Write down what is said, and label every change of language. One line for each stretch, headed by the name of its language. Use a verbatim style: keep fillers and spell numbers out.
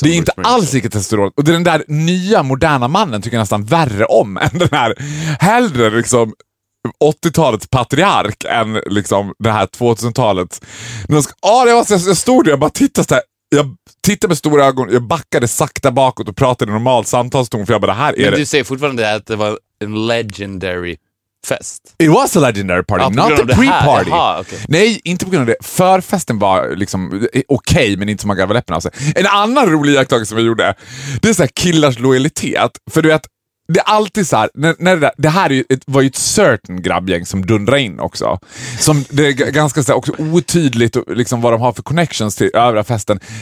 Swedish: Det är inte alls lika testosteronigt. Och det är den där nya moderna mannen tycker jag nästan värre om än den här hellre liksom åttio-talets patriark än liksom det här tvåtusen-talets. Men ska, ah, det var så, jag stod där, jag bara tittade så här. Jag tittade med stora ögon, jag backade sakta bakåt och pratade i normal samtalston för jag bara det här är Men du det. Säger fortfarande att det var en legendary fest.
English: It was a legendary party,
Swedish: ja,
English: not the pre-party.
Swedish: Jaha, okay. Nej, inte på grund av det. Förfesten var liksom okej, okay, men inte så många av läpparna av sig. En annan rolig iakttagelse som vi gjorde, det är så här killars lojalitet. För du vet, det är alltid så här, när, när det, det här är ju, ett, var ju ett certain grabbgäng som dundrar in också. Som det är g- ganska så här, också otydligt liksom, vad de har för connections till övriga festen.